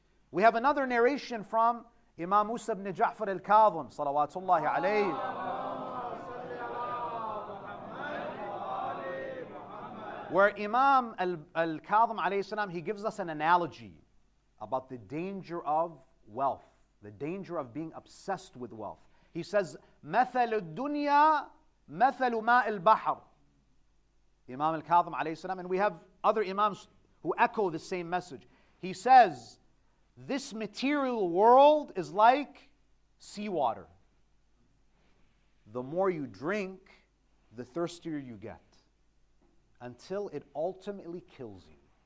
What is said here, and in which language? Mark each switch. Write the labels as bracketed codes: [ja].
[en] We have another narration from Imam Musa ibn Ja'far al-Kadhim, salawatullahi alayhi. Where Imam al-Kadhim alayhi salam, he gives us an analogy about the danger of wealth, the danger of being obsessed with wealth. He says, [ar] مَثَلُ الدُّنْيَا مَثَلُ مَاءِ الْبَحْرِ. [en] Imam al-Kadhim alayhi salam, and we have other imams who echo the same message. He says, this material world is like seawater. The more you drink, the thirstier you get, until it ultimately kills you.